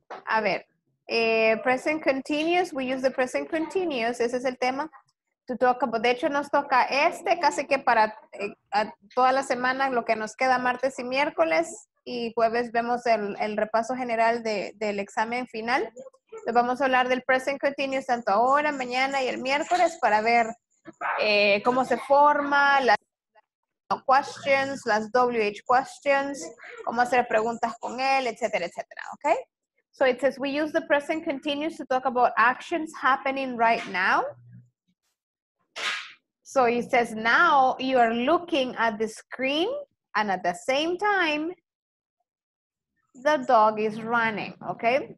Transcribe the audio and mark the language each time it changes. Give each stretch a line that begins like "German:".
English: A ver, present continuous, we use the present continuous.
Spanish: Ese es el tema
English: to talk about.
Spanish: De hecho, nos toca este casi que para toda la semana, lo que nos queda martes y miércoles. Y jueves vemos el repaso general del examen final. Entonces vamos a hablar del present continuous tanto ahora, mañana y el miércoles para ver cómo se forma, las questions, las WH questions, cómo hacer preguntas con él, etcétera, etcétera.
English: Okay? So it says we use the present continuous to talk about actions happening right now. So it says now you are looking at the screen and at the same time, the dog is running, okay?